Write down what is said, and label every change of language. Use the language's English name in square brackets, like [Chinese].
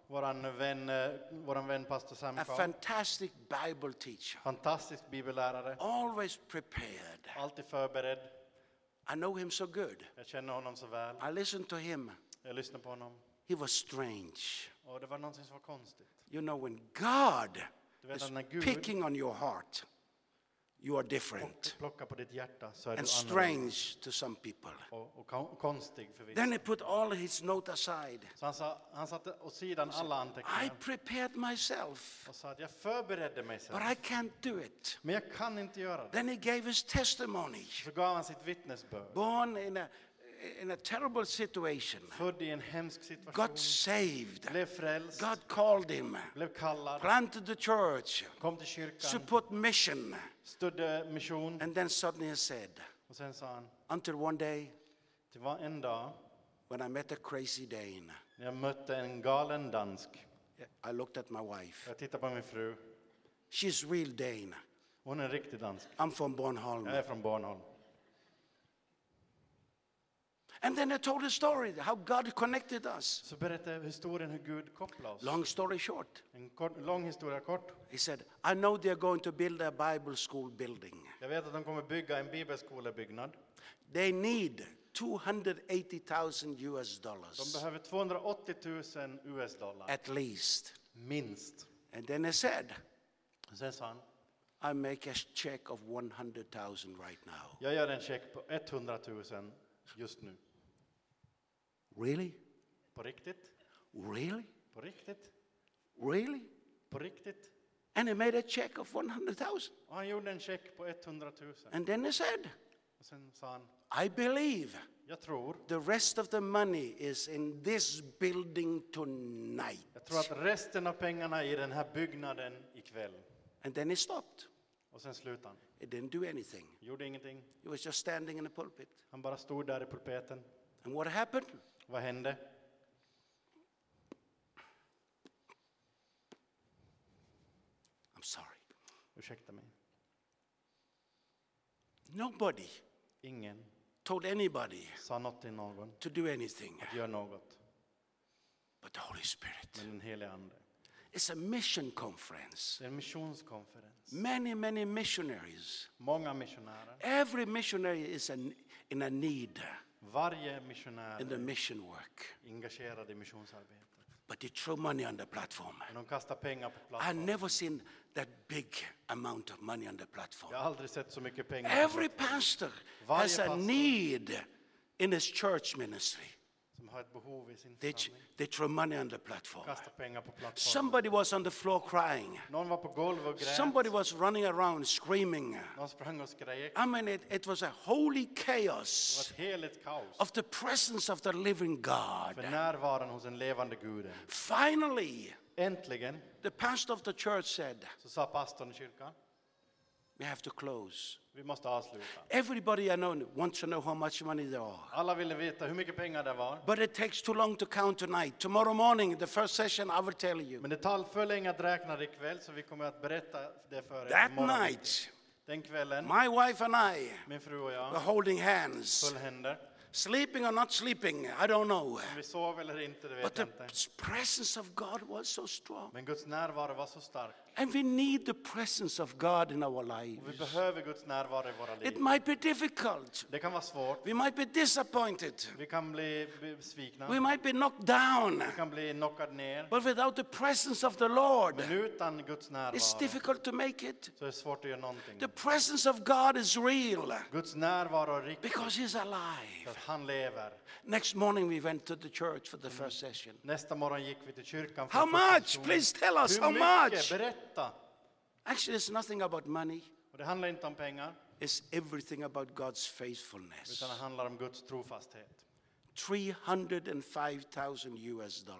[Swedish] Våran vän Pastor Sam Carr. [English] A fantastic Bible teacher. [Swedish] Fantastisk bibellärare. [English] Always prepared. [Swedish] Alltid förberedd. [English] I know him so good. [Swedish] Jag känner honom så väl. [English] I listened to him. [Swedish] Jag lyssnade på honom. [English] He was strange. [Swedish] Och det var någonting som var konstigt. [English] You know when God is picking on your heart. you are different. [Swedish] Plocka på ditt hjärta så är du annorlunda. [English] Strange to some people. [Swedish] Och konstig för vissa. [English] Then he put all his notes aside. [Swedish] Så han satte åt sidan alla anteckningar. [English] I prepared myself. [Swedish] Och sa att jag förberedde mig själv. [English] But I can't do it. [Swedish] Men jag kan inte göra det. [English] Then he gave his testimony. [Swedish] Så gav han sitt vittnesbörd. [English] Born in a terrible situation. [Swedish] Född i en hemsk situation. [English] Got saved. [Swedish] Blev frälst. [English] God called him. [Swedish] Blev kallad. [English] Planted the church. [Swedish] Kom till kyrkan. [English] Support mission. [Swedish] Stod mission. [English] And then suddenly he said. [Swedish] Och sen sa han. [English] Until one day. [Swedish] Det var en dag. [English] When I met a crazy Dane. [Swedish] När jag mötte en galen dansk. [English] I looked at my wife. [Swedish] Jag tittade på min fru. [English] She's real Dane. [Swedish] Hon är riktig dansk. [English] I'm from Bornholm. [Swedish] Jag är från Bornholm. [English] And then I told a story how God connected us. [Swedish] Så berättade historien hur Gud kopplade oss. [English] Long story short. [Swedish] En kort, lång historia kort. [English] He said, I know they are going to build a Bible school building. [Swedish] Jag vet att de kommer bygga en bibelskolebyggnad. [English] They need $280,000. [Swedish] De behöver 280,000 US dollar. [English] At least. [Swedish] Minst. [English] And then I said, [Swedish] sen sa han, [English] I make a check of 100,000 right now. [Swedish] Jag gör en check på 100,000 just nu. [English] Really? [Swedish] På riktigt? [English] Really? [Swedish] På riktigt? [English] Really? [Swedish] På riktigt? [English] And he made a check of 100,000. [Swedish] Och han gjorde en check på 100,000. [English] And then he said. [Swedish] Och sen sa han. [English] I believe. [Swedish] Jag tror. [English] The rest of the money is in this building tonight. [Swedish] Jag tror att resten av pengarna är i den här byggnaden ikväll. [English] And then he stopped. [Swedish] Och sen slutade han. [English] He didn't do anything. [Swedish] Gjorde ingenting. [English] He was just standing in the pulpit. [Swedish] Han bara stod där i pulpeten. [English] And what happened? [Swedish] Vad hände? [English] I'm sorry. [Swedish] Ursäkta mig. [English] Nobody. [Swedish] Ingen. [English] Told anybody. [Swedish] Sa något till någon. [English] To do anything. [Swedish] Att göra något. [English] But the Holy Spirit. [Swedish] Men den helige ande. [English] It's a mission conference. [Swedish] En missionskonferens. [English] Many, many missionaries. [Swedish] Många missionärer. [English] Every missionary is in a need. [Swedish] Varje missionär [English] in the mission work. [Swedish] Engagerad i missionsarbetet. [English] But they throw money on the platform. [Swedish] De kastar pengar på plattformen. [English] I never seen that big amount of money on the platform. [Swedish] Jag har aldrig sett så mycket pengar. [English] Every pastor [Swedish] varje [English] has a need in his church ministry. [Swedish] Som har ett behov i sin församling. [English] They throw money on the platform. [Swedish] Kastar pengar på plattformen. [English] Somebody was on the floor crying. [Swedish] Någon var på golvet och grät. [English] Somebody was running around screaming. [Swedish] Någon sprang och skrek. [English] I mean it was a holy chaos. [Swedish] Det var ett heligt kaos. [English] Of the presence of the living God. [Swedish] För närvaron hos den levande guden. [English] Finally. [Swedish] Äntligen. [English] The pastor of the church said. [Swedish] Så sa pastorn i kyrkan. [English] We have to close. [Swedish] Vi måste avsluta. [English] Everybody I know wants to know how much money there are. [Swedish] Alla ville veta hur mycket pengar det var. [English] But it takes too long to count tonight. Tomorrow morning, the first session, I will tell you. [Swedish] Men det tar för länge att räkna ikväll, så vi kommer att berätta det för er. [English] That night, [Swedish] den kvällen, [English] my wife and I, [Swedish] min fru och jag, [English] were holding hands. [Swedish] Höll händer. [English] Sleeping or not sleeping, I don't know. [Swedish] Vi sov eller inte, det vet jag inte. [English] But the presence of God was so strong. [Swedish] Men Guds närvaro var så stark. [English] And we need the presence of God in our lives. [Swedish] Vi behöver Guds närvaro i våra liv. [English] It might be difficult. [Swedish] Det kan vara svårt. [English] We might be disappointed. [Swedish] Vi kan bli besvikna. [English] We might be knocked down. [Swedish] Vi kan bli knockad ner. [English] But without the presence of the Lord. [Swedish] Men utan Guds närvaro. [English] It's difficult to make it. [Swedish] Så är svårt att göra någonting. [English] The presence of God is real. [Swedish] Guds närvaro är riktig. [English] Because he's alive. [Swedish] För han lever. [English] Next morning we went to the church for the first session. [Swedish] Nästa morgon gick vi till kyrkan för första. [English] How much? Please tell us how much. Actually, it's nothing about money. [Swedish] Det handlar inte om pengar. [English] It's everything about God's faithfulness. [Swedish] Utan det handlar om Guds trofasthet. [English] $305,000